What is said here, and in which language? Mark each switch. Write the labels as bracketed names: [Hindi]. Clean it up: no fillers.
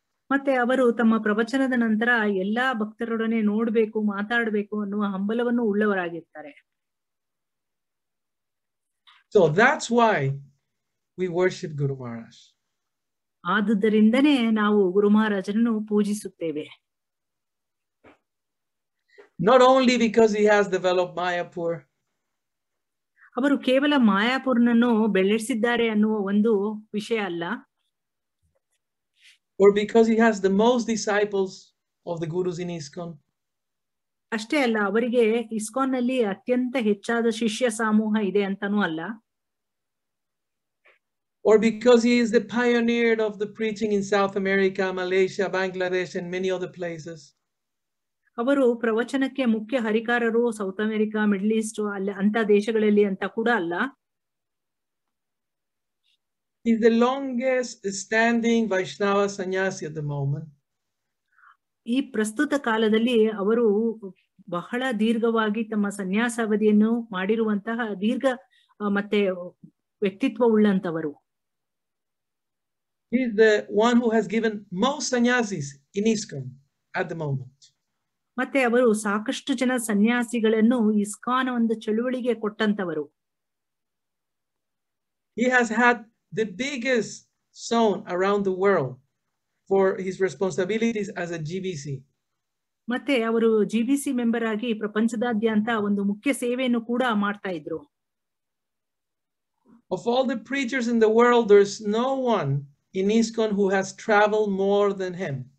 [Kannada] ಮತ್ತೆ ಅವರು ತಮ್ಮ ಪ್ರವಚನದ ನಂತರ ಎಲ್ಲಾ ಭಕ್ತರೊಡನೆ ನೋಡಬೇಕು, ಮಾತಾಡಬೇಕು ಅನ್ನುವ ಹಂಬಲವನ್ನು ಉಳ್ಳವರಾಗಿರ್ತಾರೆ. [English] So that's why we worship Guru Maharaj. [Kannada] ಆದುದರಿಂದನೆ ನಾವು ಗುರು ಮಹಾರಾಜನನ್ನು ಪೂಜಿಸುತ್ತೇವೆ. [English] Not only because he has developed Mayapur. [Kannada] ಅವರು ಕೇವಲ ಮಾಯಾಪುರನನ್ನು ಬೆಳೆಸಿದ್ದಾರೆ ಅನ್ನುವ ಒಂದು ವಿಷಯ ಅಲ್ಲ. [English] Or because he has the most disciples of the gurus in ISKCON. [Kannada] ಅಷ್ಟೇ ಅಲ್ಲ, ಅವರಿಗೆ ಇಸ್ಕಾನ್ ನಲ್ಲಿ ಅತ್ಯಂತ ಹೆಚ್ಚಾದ ಶಿಷ್ಯ ಸಮೂಹ ಇದೆ ಅಂತಾನೂ ಅಲ್ಲ. [English] Or because he is the pioneer of the preaching in South America, Malaysia, Bangladesh, and many other places. [Kannada] ಅವರು ಪ್ರವಚನಕ್ಕೆ ಮುಖ್ಯ ಹರಿಕಾರರು ಸೌತ್ ಅಮೆರಿಕಾ, ಮಿಡ್ಲ್ ಈಸ್ಟ್ ಅಲ್ಲಿ ಅಂತ ದೇಶಗಳಲ್ಲಿ ಅಂತ ಕೂಡ ಅಲ್ಲ. [English] He's the longest standing Vaishnava sannyasi at the moment. [Kannada] ಈ ಪ್ರಸ್ತುತ ಕಾಲದಲ್ಲಿ ಅವರು ಬಹಳ ದೀರ್ಘವಾಗಿ ತಮ್ಮ ಸನ್ಯಾಸ ಅವಧಿಯನ್ನು ಮಾಡಿರುವಂತಹ ದೀರ್ಘ ಮತ್ತೆ ವ್ಯಕ್ತಿತ್ವ ಉಳ್ಳಂತವರು. [English] He's the one who has given most sannyasis in ISKCON at the moment. [Kannada] ಮತ್ತೆ ಅವರು ಸಾಕಷ್ಟು ಜನ ಸನ್ಯಾಸಿಗಳನ್ನು ಇಸ್ಕಾನ್ ಒಂದು ಚಳುವಳಿಗೆ ಕೊಟ್ಟಂತವರು. [English] He has had the biggest sound around the world for his responsibilities as a GBC. [Kannada] ಮತ್ತೆ ಅವರು ಜಿಬಿಸಿ ಮೆಂಬರ್ ಆಗಿ ಪ್ರಪಂಚದಾದ್ಯಂತ ಒಂದು ಮುಖ್ಯ ಸೇವೆಯನ್ನು ಕೂಡ ಮಾಡ್ತಾ ಇದ್ರು. [English] Of all the preachers in the world, there's no one in ISKCON who has traveled more than him.